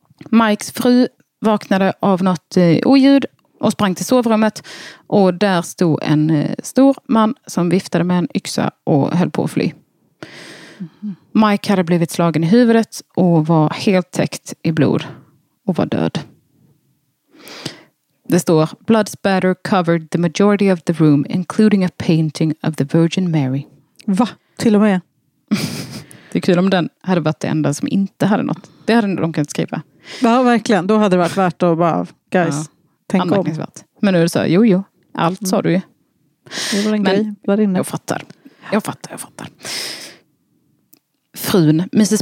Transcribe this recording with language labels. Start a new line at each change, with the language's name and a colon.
Swedish: Mikes fru vaknade av något oljud och sprang till sovrummet och där stod en stor man som viftade med en yxa och höll på att fly. Mike hade blivit slagen i huvudet och var helt täckt i blod och var död. Det står:
English: blood spatter covered the majority of the room including a painting of the Virgin Mary.
Swedish: Va? Till och med? Det är kul om den hade varit det enda som inte hade något. Det hade de kunnat skriva. Ja, verkligen. Då hade det varit värt att bara, guys, ja, tänk om. Men nu är det så här, jo, allt sa du ju. Det var en grej där inne. Jag fattar. Frun, Mrs.